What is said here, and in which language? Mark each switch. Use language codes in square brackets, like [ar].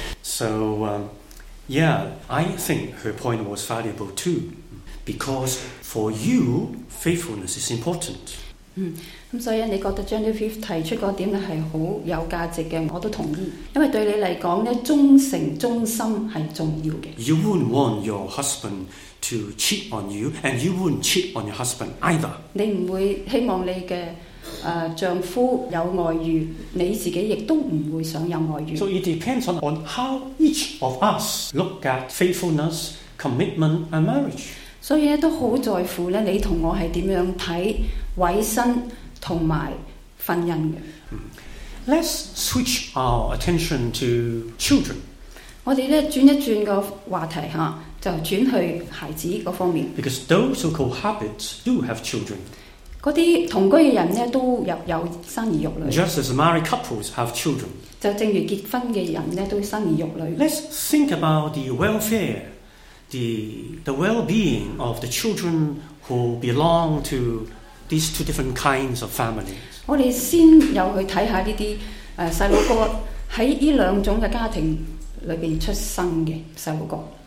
[en] So, I think her point was valuable too, because for you, faithfulness is important. [yue] 所以你覺得 Genevieve 提出的點是很有價值的，我都同意，因為對你來說忠誠忠心是重要的。 [en] You wouldn't want your husband to cheat on you, and you wouldn't cheat on your husband either. [yue] 你不會希望你的丈夫有外遇，你自己亦都不會想有外遇。 [en] So it depends on how each of us look at faithfulness, commitment and marriage. [yue] 所以都很在乎你和我是怎樣看委身同埋婚姻嘅。 [en] Let's switch our attention to children. [yue] 我哋咧轉一轉個話題嚇，就轉去孩子嗰方面。 [en] Because those who cohabit do have children. [yue] 嗰啲同居嘅人咧都有生兒育女。 [en] Just as married couples have children. [yue] 就正如結婚嘅人咧都生兒育女。 [en] Let's think about the welfare, the well-being of the children who belong to. These two different kinds of families. [yue] 我哋先又去睇下呢啲細路哥喺呢兩種嘅家庭裏邊出生嘅細路哥。